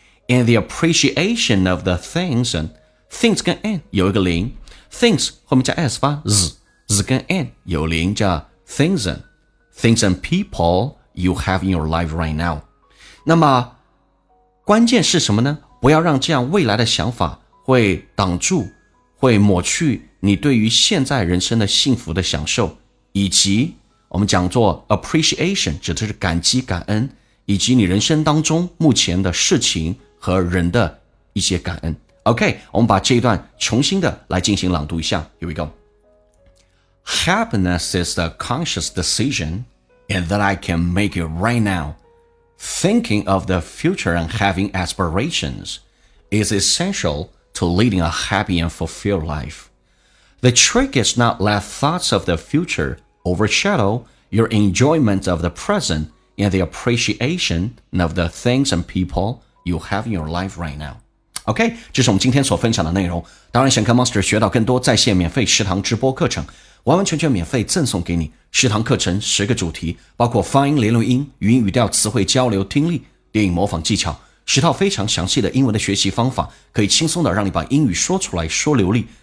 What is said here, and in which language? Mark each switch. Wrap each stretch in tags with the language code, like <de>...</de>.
<en>And the appreciation of the things， and things</en> <zh>跟</zh> <en>and</en> <zh>有一个零，</zh> <en>things</en> <zh>后面加</zh> <en>s</en> <zh>发</zh> <en>z， z 跟 and</en> <zh>有零叫</zh> <en>things， and things and people you have in your life right now。</en> <zh>那么关键是什么呢？不要让这样未来的想法会挡住，会抹去你对于现在人生的幸福的享受，以及我们讲做 appreciation 指的是感激感恩，以及你人生当中目前的事情和人的一些感恩。 OK， 我们把这一段重新的来进行朗读一下。</zh> <en>Here we go. Happiness is a conscious decision and that I can make it right now. Thinking of the future and having aspirations is essential to leading a happy and fulfilled lifeThe trick is not let thoughts of the future overshadow your enjoyment of the present and the appreciation of the things and people you have in your life right now.</en> <zh>OK， 这是我们今天所分享的内容。当然想跟 Master 学到更多在线免费食堂直播课程，完完全全免费赠送给你。食堂课程十个主题，包括发音、连读音、语音语调、词汇交流、听力、电影模仿技巧，十套非常详细的英文的学习方法，可以轻松的让你把英语说出来说流利。</zh>